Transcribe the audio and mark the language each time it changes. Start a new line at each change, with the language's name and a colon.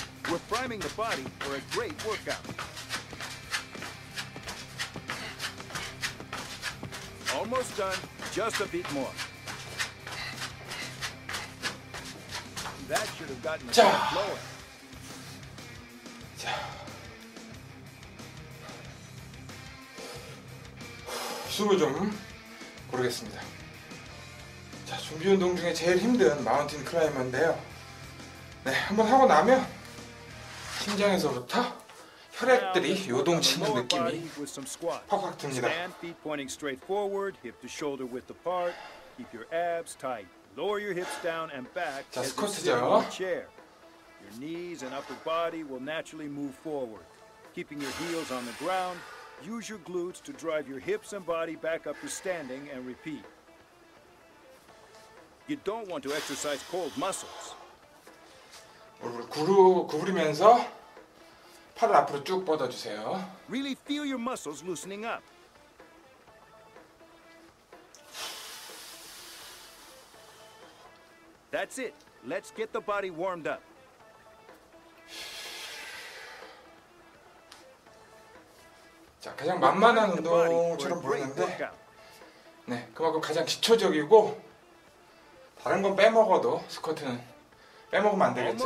English: We're priming the body for a great workout. Almost done, just a bit more. That should have gotten a lot lower.
Korean: 자, 숨을 좀 고르겠습니다. 자, 준비 운동 중에 제일 힘든 마운틴 클라이머인데요. 네, 한번 하고 나면 심장에서부터 혈액들이 요동치는 느낌이 확확 듭니다.
English: Stand feet pointing straight forward, hip to shoulder width apart. Keep your abs tight. Lower your hips down and back.
Korean: 자, 스쿼트죠.
English: Your knees and upper body will naturally move forward. Keeping your heels on the ground. Use your glutes to drive your hips and body back up to standing and repeat. You don't want to exercise cold muscles.
Korean: 얼굴을 구부리면서 팔을 앞으로 쭉 뻗어주세요.
English: Really feel your muscles loosening up. That's it. Let's get the body warmed up.
Korean: 자, 가장 만만한 운동처럼 보이는데, 네, 그만큼 가장 기초적이고 다른 건 빼먹어도 스쿼트는 빼먹으면 안 되겠죠.